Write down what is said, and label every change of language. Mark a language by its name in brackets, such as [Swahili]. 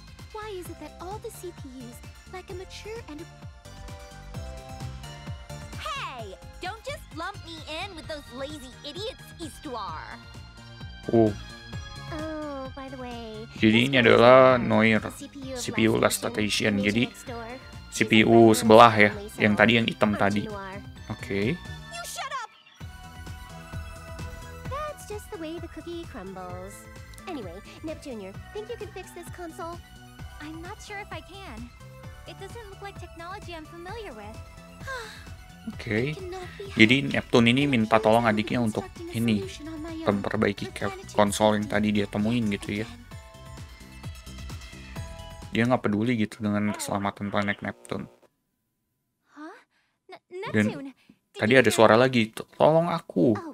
[English] Why is it that all the CPUs like a mature and a. Don't just lump me in with those lazy idiots, Istuar. Oh. By the way. [Indonesian] Jadi ini adalah Noir, CPU Last Station. Jadi CPU sebelah ya, yang tadi yang hitam tadi. Oke. [English] That's just the way the cookie crumbles. Anyway, Nip Jr., think you can fix this console? I'm not sure if I can. It doesn't look like technology I'm familiar with. [Indonesian] Oke, okay. Jadi Neptune ini minta tolong adiknya untuk ini, memperbaiki konsol yang tadi dia temuin gitu ya. Dia nggak peduli gitu dengan keselamatan planet Neptune. Dan tadi ada suara lagi, tolong aku.